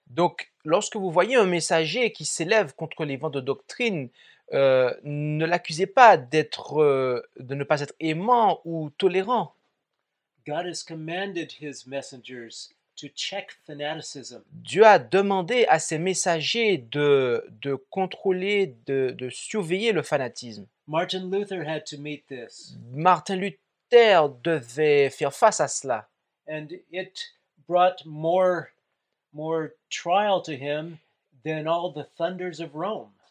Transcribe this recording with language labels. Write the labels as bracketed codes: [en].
[fr] Donc, lorsque vous voyez un messager qui s'élève contre les vents de doctrine, ne l'accusez pas d'être de ne pas être aimant ou tolérant. [en] God has commanded his messengers to check fanaticism. [fr] Dieu a demandé à ses messagers de contrôler, de surveiller le fanatisme. [en] Martin Luther had to meet this. [fr] Martin Luther devait faire face à cela. [en] And it brought more trial to him than all the thunders of Rome.